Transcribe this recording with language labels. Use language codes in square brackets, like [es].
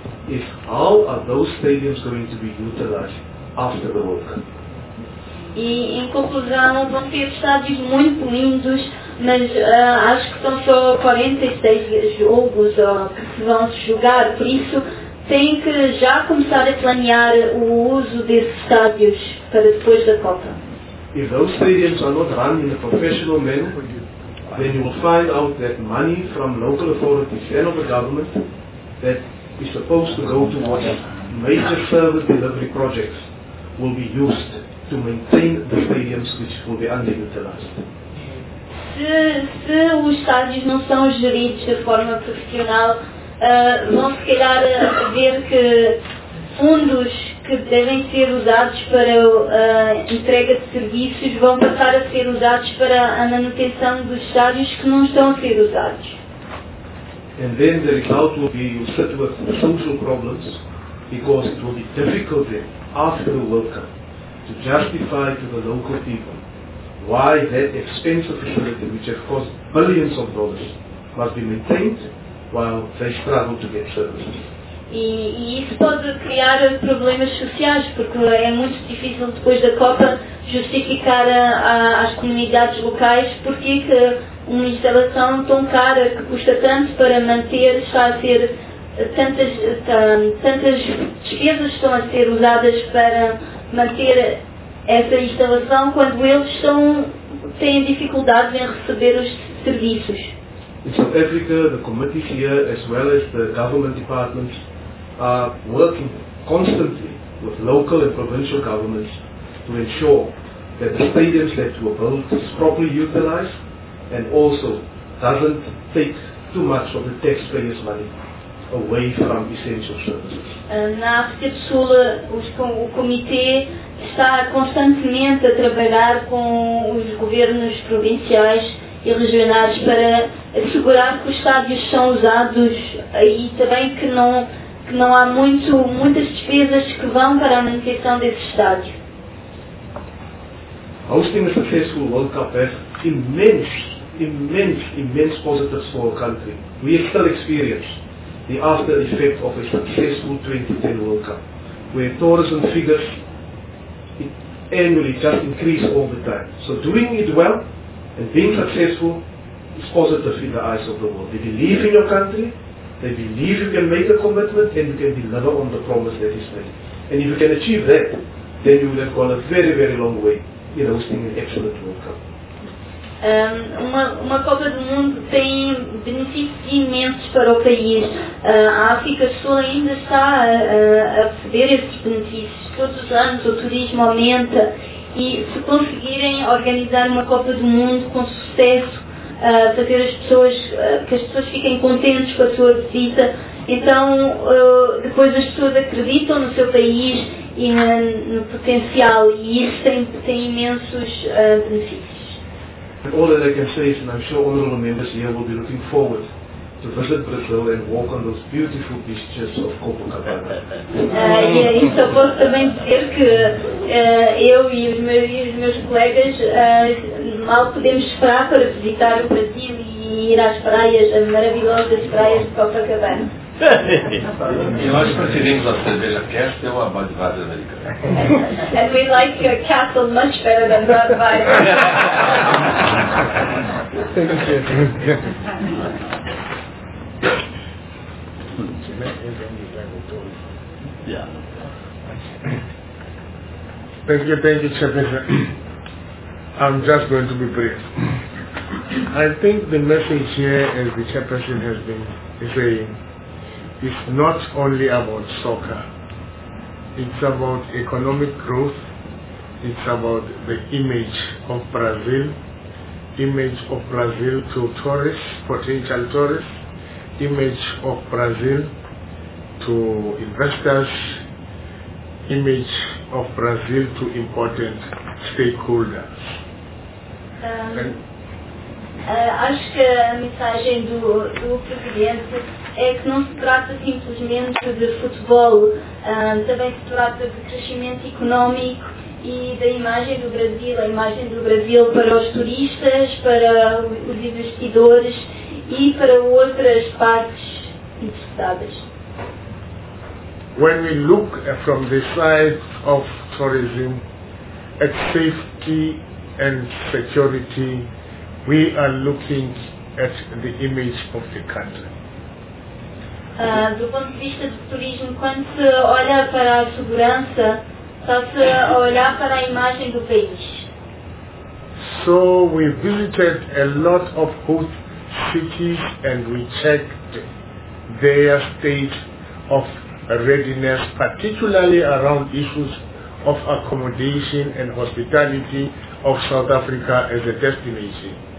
[en] is how are those stadiums going to be utilized after the World Cup? [pt] E em conclusão, vão ter estádios muito lindos, mas acho que são só 46 jogos que vão se jogar, por isso têm que já começar a planear o uso desses estádios para depois da Copa. [en] If those stadiums are not run in a professional manner, then you will find out that money from local authorities and of the government that is supposed to go towards major service delivery projects will be used to maintain the stadiums which will be underutilized. [pt] Se os estádios não são geridos de forma profissional, vão se calhar ver que fundos que devem ser usados para a entrega de serviços vão passar a ser usados para a manutenção dos estádios que não estão a ser usados. [en] And then the result will be you sit with social problems because it will be difficult then, after the World Cup, to justify to the local people why that expensive facility, which has cost billions of dollars, must be maintained while they struggle to get services. [pt] E isso pode criar problemas sociais, porque é muito difícil depois da Copa justificar às comunidades locais porque que uma instalação tão cara que custa tanto para manter está a ser tantas despesas estão a ser usadas para manter essa instalação quando eles estão, têm dificuldades em receber os serviços. [en] In South Africa, the committee here, as well as the government departments, are working constantly with local and provincial governments to ensure that the stadiums that were built is properly utilized and also doesn't take too much of the taxpayers' money away from essential services. [pt] Na África do Sul, o comitê está constantemente a trabalhar com os governos provinciais e regionais para assegurar que os estádios são usados e também que não há muitas despesas que vão para a manutenção desse estádio. A última [en] successful World Cup has immense positives for our country. We have still experienced the after effect of a successful 2010 World Cup, where tourism figures annually just increase all the time. So doing it well and being successful is positive in the eyes of the world. They believe in your country. They believe you can make a commitment and you can deliver on the promise that is made. And if you can achieve that, then you will have gone a very, very long way in hosting an excellent World Cup. [pt] Uma Copa do Mundo tem benefícios imensos para o país. A África do Sul ainda está a receber esses benefícios. Todos os anos o turismo aumenta e se conseguirem organizar uma Copa do Mundo com sucesso, fazer as pessoas, que as pessoas fiquem contentes com a sua visita, então depois as pessoas acreditam no seu país e no potencial e isso tem imensos benefícios. [en] All that I can say is, and I'm sure honourable members here will be looking forward to visit Brazil and walk on those beautiful beaches of Copacabana. [pt] Isso eu posso também dizer que eu e os meus colegas mal podemos esperar para visitar o Brasil e ir às praias, as maravilhosas praias de Copacabana. Nós preferimos a cerveja Cast ou a Budweiser americana. [en] And we like your castle much better than Budweiser. Thank you, Chairman. I'm just going to be brief. I think the message here, as the Chairperson has been saying, is not only about soccer. It's about economic growth. It's about the image of Brazil, image of Brazil to tourists, potential tourists, image of Brazil to investors, image of Brazil to important stakeholders. [pt] Acho que a mensagem do Presidente é que não se trata simplesmente de futebol, também se trata de crescimento económico e da imagem do Brasil, a imagem do Brasil para os turistas, para os investidores e para outras partes interessadas. [en] when we look from the side of tourism at safety and security, we are looking at the image of the country. [pt] Do ponto de vista do turismo, quando se olha para a segurança, está-se a olhar para a imagem do país. [en] So we visited a lot of host cities and we checked their state of readiness, particularly around issues of accommodation and hospitality of South Africa as a destination.